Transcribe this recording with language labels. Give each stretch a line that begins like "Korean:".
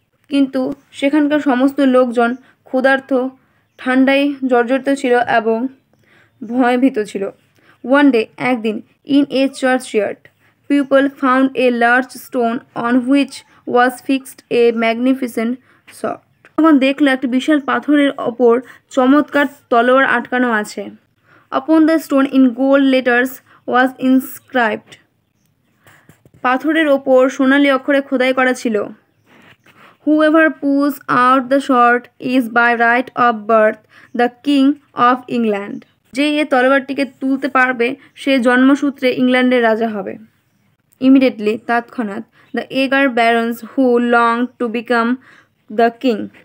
Bangla: কিন্তু সেখানকার সমস্ত লোকজন ক্ষুধার্থ, ঠান্ডায় জর্জরিত ছিল এবং ভয়ভীত ছিল।
English: one day,
Bangla: একদিন,
English: In a churchyard, people found a large stone on which was fixed a magnificent sort.
Bangla: তখন দেখল একটা বিশাল পাথরের ওপর চমৎকার তলোয়ার আটকানো আছে।
English: Upon the stone in gold letters was inscribed,
Bangla: পাথরের ওপর সোনালি অক্ষরে খোদাই করা ছিল,
English: Whoever pulls out the sword is by right of birth the king of England.
Bangla: যে এ তলোয়ারটিকে তুলতে পারবে সে জন্মসূত্রে ইংল্যান্ডের রাজা হবে।
English: immediately,
Bangla: তৎক্ষণাৎ,
English: The eager barons who long to become the king.